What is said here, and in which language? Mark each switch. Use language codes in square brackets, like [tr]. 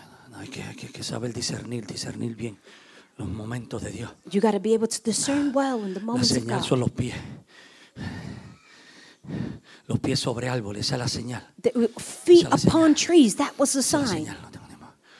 [es] No, hay que saber discernir bien los momentos de Dios. [en] You got to be able to discern well in the moments of God. [es] La señal son los pies. Los pies sobre árboles, esa es la señal. [en] Feet upon trees, that was the sign. [es] Esa es la señal, no tengo ni más.